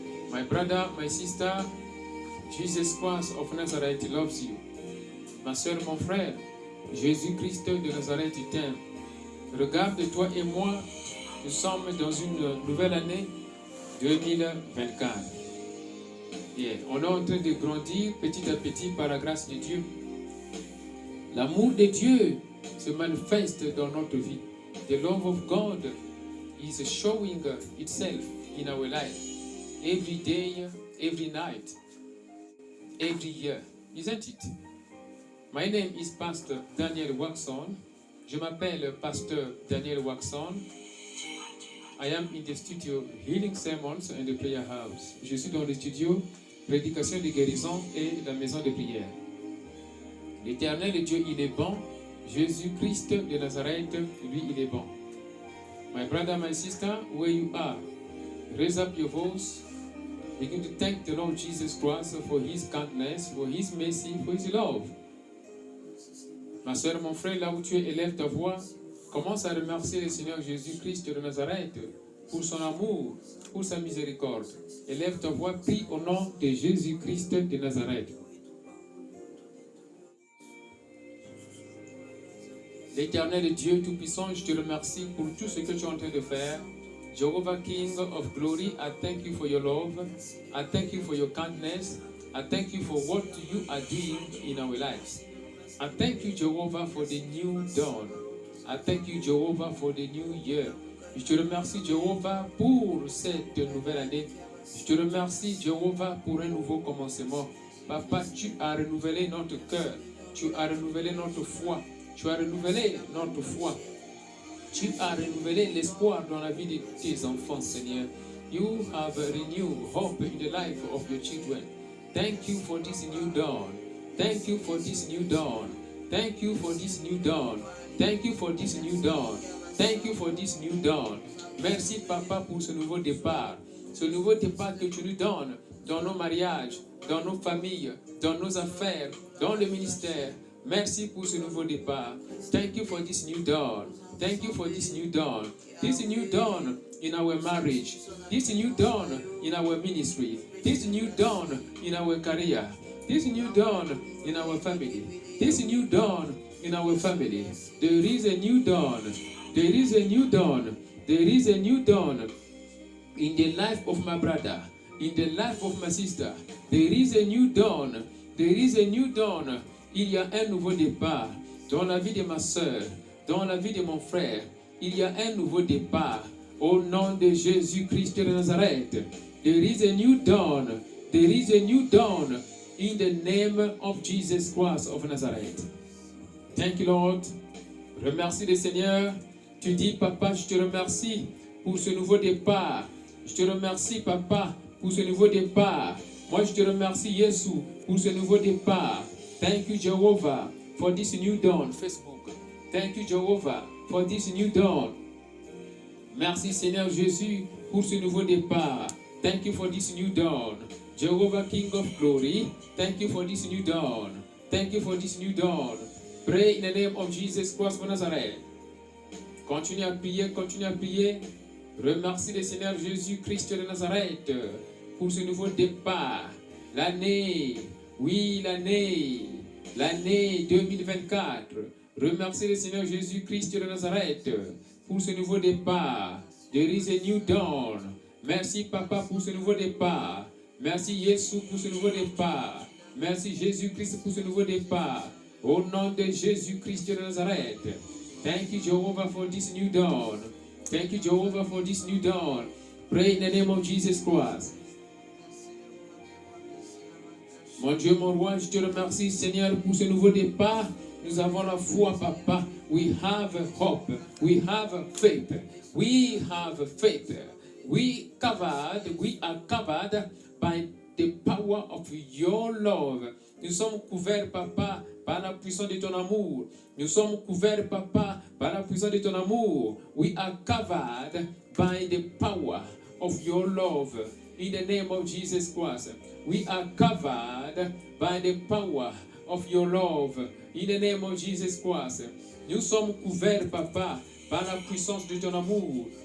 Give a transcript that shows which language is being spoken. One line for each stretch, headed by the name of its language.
English: My brother, my sister, Jesus Christ of Nazareth loves you.
French: Ma soeur, mon frère, Jésus-Christ de Nazareth t'aime. Regarde toi et moi, nous sommes dans une nouvelle année 2024. Yeah. On est en train de grandir petit à petit par la grâce de Dieu. L'amour de Dieu se manifeste dans notre vie.
English: The love of God is showing itself in our life. Every day, every night, every year. Isn't it? My name is Pastor Daniel Waxon.
French: Je m'appelle Pastor Daniel Waxon.
English: I am in the studio Healing Sermons and the Prayer House.
French: Je suis dans le studio Prédication de Guérison et la Maison de Prière. L'Éternel Dieu, il est bon. Jésus-Christ de Nazareth, lui, il est bon.
English: My brother, my sister, where you are, raise up your voice. Begin to thank the Lord Jesus Christ for his kindness, for his mercy, for his love.
French: Ma soeur, mon frère, là où tu es, élève ta voix. Commence à remercier le Seigneur Jésus-Christ de Nazareth pour son amour, pour sa miséricorde. Élève ta voix, prie au nom de Jésus-Christ de Nazareth. L'Éternel Dieu Tout-Puissant, je te remercie pour tout ce que tu es en train de faire.
English: Jehovah King of Glory, I thank you for your love. I thank you for your kindness. I thank you for what you are doing in our lives. I thank you, Jehovah, for the new dawn. I thank you, Jehovah, for the new year.
French: Je te remercie, Jehovah, pour cette nouvelle année. Je te remercie, Jehovah, pour un nouveau commencement. Papa, tu as renouvelé notre cœur. Tu as renouvelé notre foi. Tu as renouvelé notre foi. Tu as renouvelé l'espoir dans la vie de tes enfants, Seigneur.
English: You have renewed hope in the life of your children. Thank you for this new dawn. Thank you for this new dawn. Thank you for this new dawn. Thank you for this new dawn. Thank you for this new dawn.
French: Merci, Papa, pour ce nouveau départ. Ce nouveau départ que tu nous donnes dans nos mariages, dans nos familles, dans nos affaires, dans le ministère. Merci pour ce nouveau départ.
English: Thank you for this new dawn. Thank you for this new dawn. This new dawn in our marriage. This new dawn in our ministry. This new dawn in our career. This new dawn in our family. This new dawn in our family. There is a new dawn. There is a new dawn. There is a new dawn in the life of my brother, in the life of my sister. There is a new dawn. There is a new dawn.
French: Il y a un nouveau départ dans la vie de ma soeur, dans la vie de mon frère. Il y a un nouveau départ au nom de Jésus-Christ de Nazareth.
English: There is a new dawn. There is a new dawn in the name of Jesus Christ of Nazareth. Thank you, Lord.
French: Remercie le Seigneur. Tu dis, Papa, je te remercie pour ce nouveau départ. Je te remercie, Papa, pour ce nouveau départ. Moi, je te remercie, Yesu, pour ce nouveau départ.
English: Thank you, Jehovah, for this new dawn, Facebook. Thank you, Jehovah, for this new dawn.
French: Merci, Seigneur Jésus, pour ce nouveau départ.
English: Thank you for this new dawn. Jehovah, King of Glory, thank you for this new dawn. Thank you for this new dawn. Pray in the name of Jesus Christ of Nazareth.
French: Continue à prier, continue à prier. Remercie le Seigneur Jésus Christ de Nazareth pour ce nouveau départ. L'année, oui, l'année 2024. Remercie le Seigneur Jésus Christ de Nazareth pour ce nouveau départ.
English: There is a new dawn.
French: Merci Papa pour ce nouveau départ. Merci Yesu pour ce nouveau départ. Merci Jésus Christ pour ce nouveau départ. Au nom de Jésus-Christ de Nazareth.
English: Thank you, Jehovah, for this new dawn. Thank you, Jehovah, for this new dawn. Pray in the name of Jesus Christ.
French: Mon Dieu, mon roi, je te remercie, Seigneur, pour ce nouveau départ. Nous avons la foi, Papa.
English: We have hope. We have faith. We have faith. We are covered by the power of your love.
French: Nous sommes couverts, Papa, par la puissance de ton amour. Nous sommes couverts, Papa, par la puissance de ton amour.
English: We are covered by the power of your love. In the name of Jesus Christ, we are covered by the power of your love. In the name of Jesus Christ,
French: nous sommes couverts, Papa, par la puissance de ton amour.